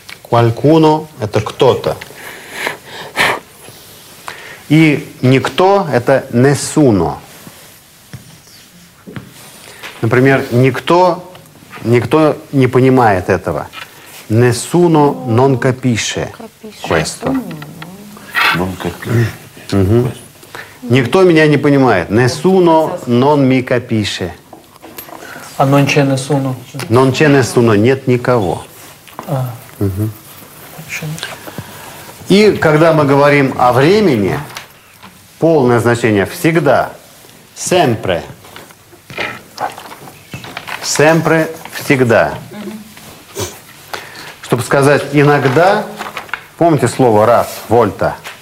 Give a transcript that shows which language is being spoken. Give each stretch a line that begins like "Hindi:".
Russian: Qualcuno – это кто-то. И никто – это nessuno. Например, никто не понимает этого.
Italian: Nessuno non capisce questo. Non capisce.
Russian: Угу. Никто меня не понимает.
Italian: Nessuno non mi capisce. А non c'è nessuno? Non c'è nessuno –
Russian: нет никого. Угу. И когда мы говорим о времени, полное значение всегда, sempre, sempre, всегда. Чтобы сказать иногда, помните слово раз, volta?